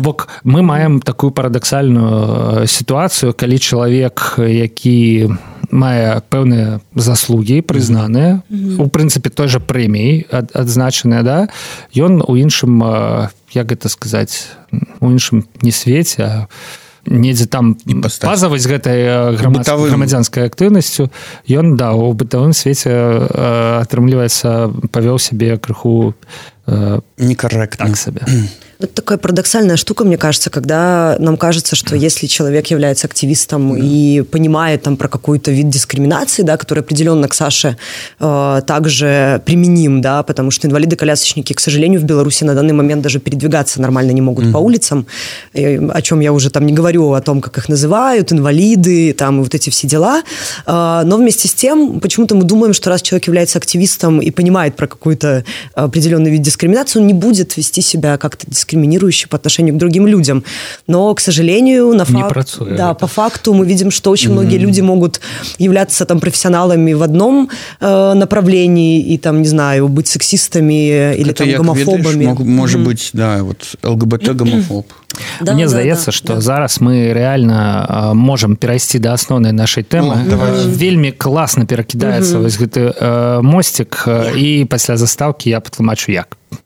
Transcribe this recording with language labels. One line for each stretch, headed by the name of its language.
Belarusian: Бок, мы маем такую парадаксальную сітуацыю, калі чалавек, які мае пэўныя заслугі, прызнаныя, у прынцыпе той жа прэміі адзначаныя, да, ён у іншым, як гэта сказаць, у іншым не свеце, а недзе там пазаваць гэтай грамадзянскай актыўнасцю, ён, да, у бытавым свеце атрымліваецца, павёў сябе крыху некарэктна так сабе.
Russian: Это такая парадоксальная штука, мне кажется, когда нам кажется, что если человек является активистом и понимает там про какой-то вид дискриминации, да, который определенно к Саше также применим, да, потому что инвалиды-колясочники, к сожалению, в Беларуси на данный момент даже передвигаться нормально не могут по улицам, и, о чем я уже там не говорю, о том, как их называют, инвалиды, там, и вот эти все дела. Но вместе с тем, почему-то мы думаем, что раз человек является активистом и понимает про какой-то определенный вид дискриминации, он не будет вести себя как-то дискриминирующий по отношению к другим людям. Но, к сожалению, по факту мы видим, что очень многие люди могут являться там профессионалами в одном направлении и там, не знаю, быть сексистами или там гомофобами. Может быть, да, вот ЛГБТ-гомофоб.
Belarusian: Да, мне здаецца, што зараз мы рэальна можам перайсці да асноўнай нашай тэмы. Вельмі класна перакідаецца вось гэты мосцік, і пасля застаўкі я патлумачу як.